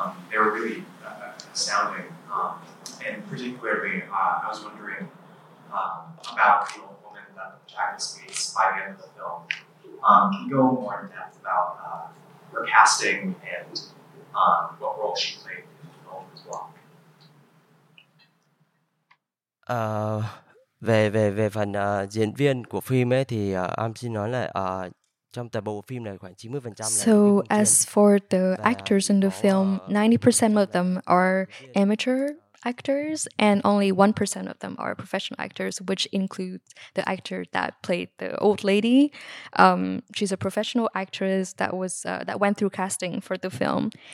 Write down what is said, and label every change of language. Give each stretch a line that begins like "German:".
English: They were really astounding. And particularly, I was wondering about the old woman that the protagonist meets by the end of the film. Can you go more in depth about her casting and what role she played in the film as well?
Vietnamese: Về phần diễn viên của phim ấy thì em xin nói là trong tập bộ phim này khoảng 90%
English: so as for the actors in the film, 90% of them are amateur actors and only 1% of them are professional actors, which includes the actor that played the old lady. She's a professional actress that was that went through casting for the film.